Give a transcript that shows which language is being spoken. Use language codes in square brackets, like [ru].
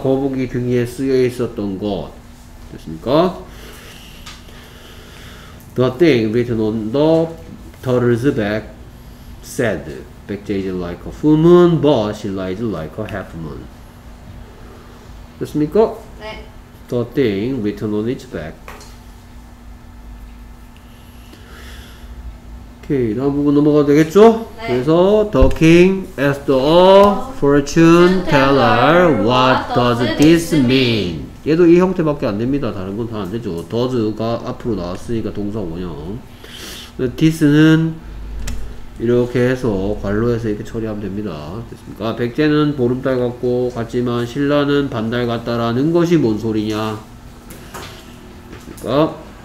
[ko] 거북이 등 위에 쓰여 있었던 것 됐습니까? [en] The thing written on the turtle's back said Becca is like a full moon but Sheila is like a half moon [ko] 됐습니까? 네. [en] The thing written on its back. [ko] 오케이, 다음 부분 넘어가도 되겠죠? 네. 그래서 [en] The king asked a fortune teller what does this mean? [ko] 얘도 이 형태밖에 안 됩니다. 다른 건 다 안 되죠. does가 앞으로 나왔으니까 동사 원형. this는 이렇게 해서 관로에서 이렇게 처리하면 됩니다. 됐습니까? 백제는 보름달 같고 같지만 신라는 반달 같다라는 것이 뭔 소리냐? 됐습니까?